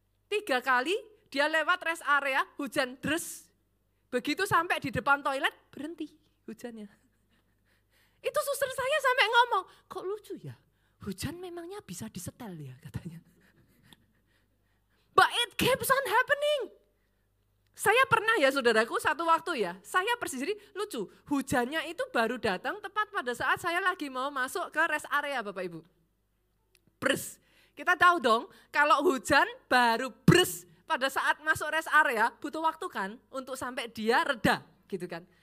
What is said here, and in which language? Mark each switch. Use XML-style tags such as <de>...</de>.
<id>3 kali dia lewat rest area, hujan deras. Begitu sampai di depan toilet, berhenti hujannya. Itu suster saya sampai ngomong, kok lucu ya, hujan memangnya bisa disetel ya katanya.</id> <en>But it keeps on happening.</en> <id>Saya pernah ya saudaraku, satu waktu ya, saya persis jadi lucu, hujannya itu baru datang tepat pada saat saya lagi mau masuk ke rest area Bapak Ibu. Bres, kita tahu dong, kalau hujan baru bres pada saat masuk rest area, butuh waktu kan untuk sampai dia reda gitu kan.</id>